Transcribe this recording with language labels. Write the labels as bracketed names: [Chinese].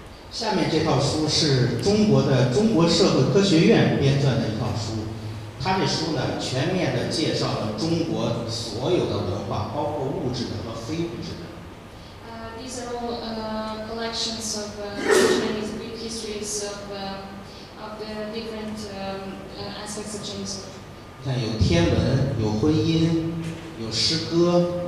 [Chinese] 下面这套书是中国的中国社会科学院编撰的一套书，它这书呢全面地介绍了中国所有的文化，包括物质的和非物质的。 [English] These are all collections of Chinese brief histories of the different aspects of Chinese culture. [Chinese] 像有天文，有婚姻，有诗歌，